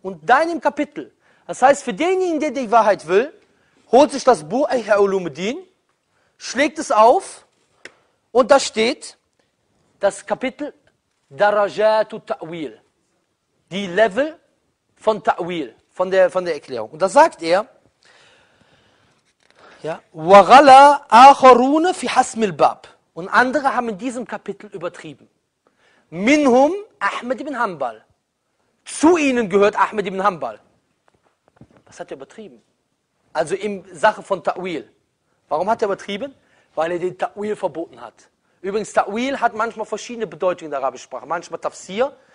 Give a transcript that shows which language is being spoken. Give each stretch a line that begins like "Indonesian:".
German: Und deinem Kapitel. Das heißt, für denjenigen, der die Wahrheit will, holt sich das Buch Ihya Ulumuddin, schlägt es auf und da steht das Kapitel Darajatu Ta'wil. Die Level von Ta'wil, von der Erklärung.
Arabic: Und da sagt er, وَغَلَىٰ آخَرُونَ فِي حَسْمِ الْبَابِ.
German: Und andere haben in diesem Kapitel übertrieben.
Arabic: مِنْهُمْ
German: Ahmed ibn Hanbal. Zu ihnen gehört Ahmed ibn Hanbal. Was hat er übertrieben? Also in Sache von Ta'wil. Warum hat er übertrieben? Weil er den Ta'wil verboten hat. Übrigens, Ta'wil hat manchmal verschiedene Bedeutungen in der arabischen Sprache. Manchmal Tafsir.